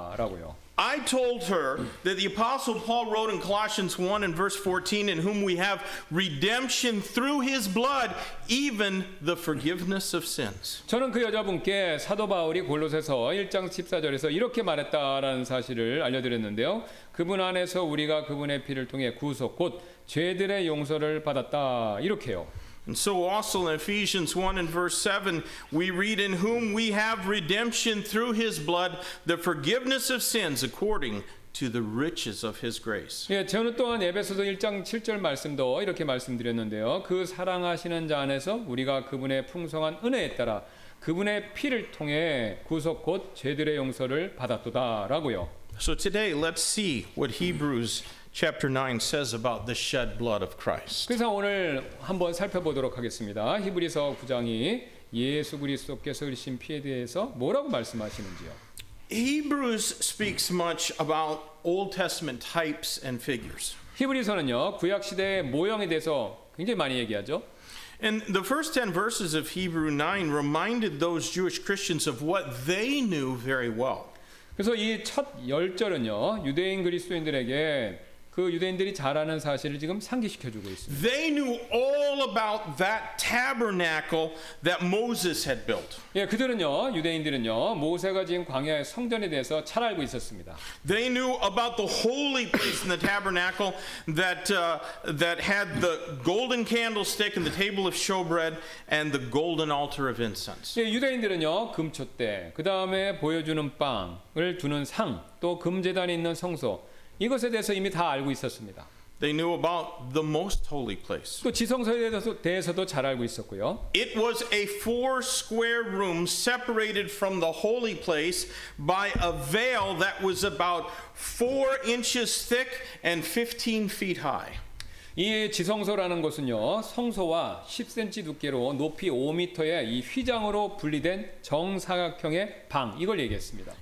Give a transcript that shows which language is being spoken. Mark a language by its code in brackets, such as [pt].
[ko] 라고요. [en] I told her that the Apostle Paul wrote in Colossians 1 and verse 14, "In whom we have redemption through his blood, even the forgiveness of sins." [ko] 저는 그 여자분께 사도 바울이 골로새서 1장 14절에서 이렇게 말했다라는 사실을 알려드렸는데요. 그분 안에서 우리가 그분의 피를 통해 구속 곧 죄들의 용서를 받았다. 이렇게요. [en] And so also in Ephesians 1 and verse 7, we read, "In whom we have redemption through his blood, the forgiveness of sins according to the riches of his grace." [ko] 예, 저는 또한 에베소서 1장 7절 말씀도 이렇게 말씀드렸는데요. 그 사랑하시는 자 안에서 우리가 그분의 풍성한 은혜에 따라 그분의 피를 통해 구속 곧 죄들의 용서를 받았도다. 라고요. [en] So today, let's see what Hebrews Chapter 9 says about the shed blood of Christ. [ko] 그래서 오늘 한번 살펴보도록 하겠습니다. 히브리서 9장이 예수 그리스도께서 흘리신 피에 대해서 뭐라고 말씀하시는지요? [en] Hebrews speaks much about Old Testament types and figures. [ko] 히브리서는요, 구약 시대의 모형에 대해서 굉장히 많이 얘기하죠. [en] And the first 10 verses of Hebrews 9 reminded those Jewish Christians of what they knew very well. [ko] 그래서 이 첫 10절은요, 유대인 그리스도인들에게 그 유대인들이 잘 아는 사실을 지금 상기시켜 주고 있습니다. [en] They knew all about that tabernacle that Moses had built. [ko] 예, 그들은요, 유대인들은요, 모세가 지은 광야의 성전에 대해서 잘 알고 있었습니다. [en] They knew about the holy place in the tabernacle that had the golden candlestick and the table of showbread and the golden altar of incense. [ko] 예, 유대인들은요, 금초대, 그다음에 보여주는 빵을 두는 상, 또 금제단이 있는 성소 이것에 대해서 이미 다 알고 있었습니다. [en] They knew about the most holy place. [ko] 또 지성소에 대해서도 잘 알고 있었고요. [en] It was a four square room separated from the holy place by a veil that was about 4 inches thick and 15 feet high. [ko] 이 지성소라는 것은요, 성소와 10cm 두께로 높이 5m의 이 휘장으로 분리된 정사각형의 방, 이걸 얘기했습니다.